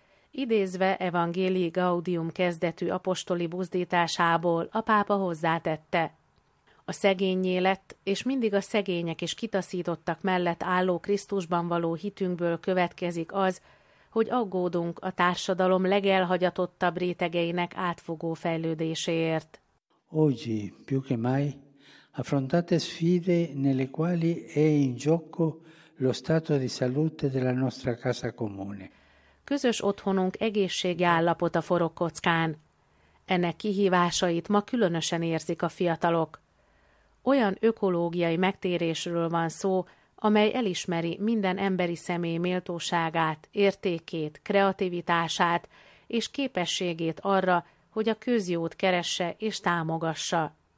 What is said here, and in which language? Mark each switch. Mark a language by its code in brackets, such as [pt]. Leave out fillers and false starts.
[hu] Idézve Evangélii Gaudium kezdetű apostoli buzdításából a pápa hozzátette. A szegényé lett, és mindig a szegények és kitaszítottak mellett álló Krisztusban való hitünkből következik az, hogy aggódunk a társadalom legelhagyatottabb rétegeinek átfogó fejlődéséért. [it] Oggi, più che mai, affrontate sfide nelle quali è in gioco lo stato di salute della nostra casa comune. [hu] Közös otthonunk egészségi állapota forog kockán. Ennek kihívásait ma különösen érzik a fiatalok. Olyan ökológiai megtérésről van szó, amely elismeri minden emberi személy méltóságát, értékét, kreativitását és képességét arra, hogy a közjót keresse és támogassa.